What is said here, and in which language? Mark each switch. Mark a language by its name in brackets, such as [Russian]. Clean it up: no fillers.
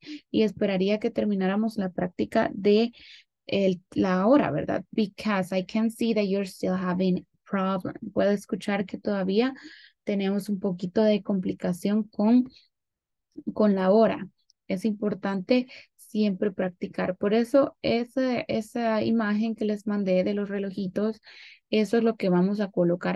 [Spanish] Y esperaría que termináramos la práctica de la hora, ¿verdad? [English] Because I can see that you're still having problems. [Spanish] Puedo escuchar que todavía tenemos un poquito de complicación con la hora. Es importante siempre practicar. Por eso esa imagen que les mandé de los relojitos, eso es lo que vamos a colocar.